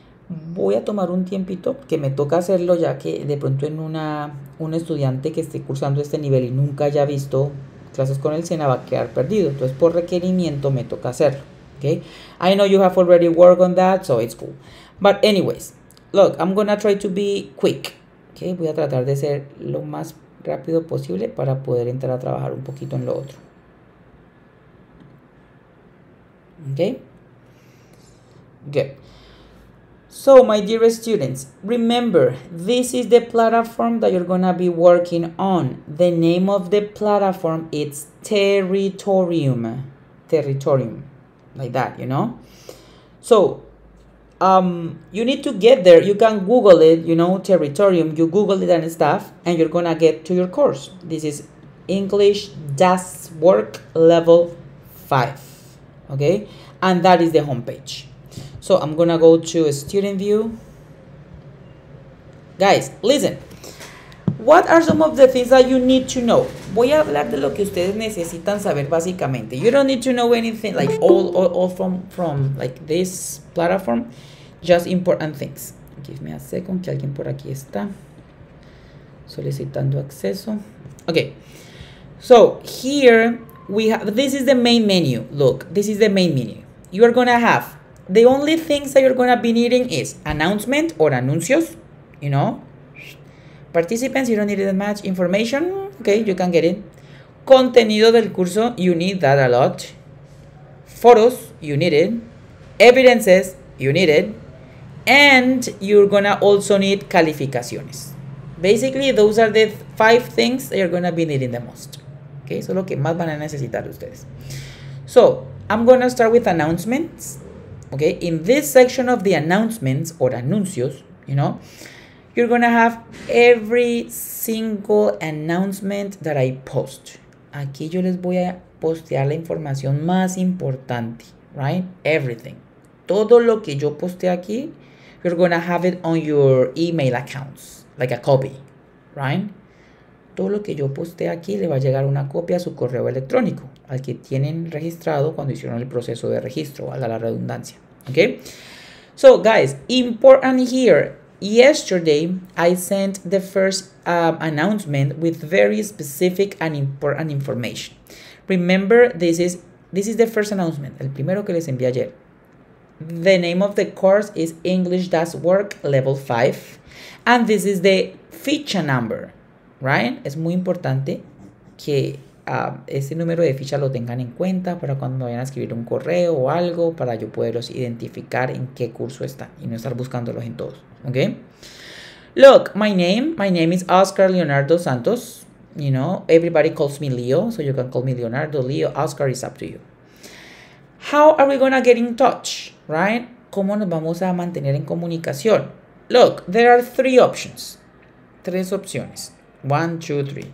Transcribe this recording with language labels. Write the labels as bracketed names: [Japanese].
[Spanish] Voy a tomar un tiempito, que me toca hacerlo, ya que de pronto en un estudiante que esté cursando este nivel y nunca haya visto clases con el SENA va a quedar perdido. Entonces, por requerimiento me toca hacerlo, [English] okay? I know you have already worked on that, so it's cool. But anyways, look, I'm gonna try to be quick, okay? [Spanish] Voy a tratar de ser lo más rápido posible para poder entrar a trabajar un poquito en lo otro. [English] Okay? Good. So, my dear students, remember, this is the platform that you're going to be working on. The name of the platform, it's Territorium. Territorium. Like that, you know? So, you need to get there. You can Google it, you know, Territorium. You Google it and stuff, and you're going to get to your course. This is English Das Work Level 5. Okay? And that is the homepage. So I'm gonna go to a student view. Guys, listen. What are some of the things that you need to know? [Spanish] Voy a hablar de lo que ustedes necesitan saber básicamente. [English] You don't need to know anything like all from like this platform. Just important things. Give me a second, [Spanish] que alguien por aquí está solicitando acceso. [English] Okay. So here we have, this is the main menu. Look, this is the main menu. You are gonna have, the only things that you're going to be needing is announcement or anuncios, you know. Participants, you don't need that much. Information, okay, you can get it. [Spanish] Contenido del curso, [English] you need that a lot. Photos, you need it. Evidences, you need it. And you're going to also need calificaciones. Basically, those are the 5 things that you're going to be needing the most. [Spanish] Okay, eso es lo que más van a necesitar ustedes. [English] So, I'm going to start with announcements. Okay, in this section of the announcements or anuncios, you know, you're gonna have every single announcement that I post. [Spanish] Aquí yo les voy a postear la información más importante, right? Everything. Todo lo que yo poste aquí, [English] you're gonna have it on your email accounts, like a copy, right? [Spanish] Todo lo que yo poste aquí le va a llegar una copia a su correo electrónico, al que tienen registrado cuando hicieron el proceso de registro, valga la redundancia. [English] Okay, so guys, important here, Yesterday, I sent the first announcement with very specific and important information. Remember, this is the first announcement, [Spanish] el primero que les envié ayer. [English] The name of the course is English Does Work Level 5. And this is the ficha number, right? [Spanish] Es muy importante que ese número de ficha lo tengan en cuenta para cuando vayan a escribir un correo o algo, para yo poderlos identificar en qué curso están y no estar buscándolos en todos, ¿ok? [English] Look, my name is Oscar Leonardo Santos. You know, everybody calls me Leo, so you can call me Leonardo, Leo, Oscar, it's up to you. How are we gonna get in touch, right? [Spanish] ¿Cómo nos vamos a mantener en comunicación? [English] Look, there are three options. [Spanish] Tres opciones. [English] One, two, three.